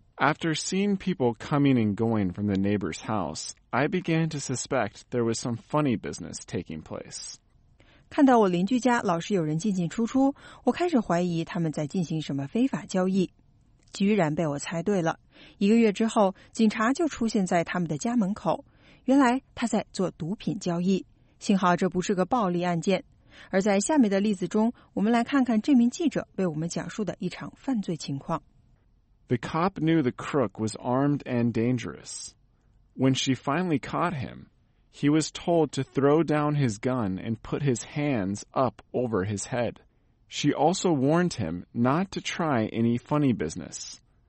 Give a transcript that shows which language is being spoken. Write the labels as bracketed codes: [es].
[en] After seeing people coming and going from the neighbor's house, I began to suspect there was some funny business taking place. [zh] 看到我邻居家老是有人进进出出，我开始怀疑他们在进行什么非法交易。居然被我猜对了。一个月之后，警察就出现在他们的家门口。原来他在做毒品交易。幸好这不是个暴力案件。而在下面的例子中，我们来看看这名记者为我们讲述的一场犯罪情况。 [en] The cop knew the crook was armed and dangerous. When she finally caught him,He was told to throw down his gun and put his hands up over his head. She also warned him not to try any funny business.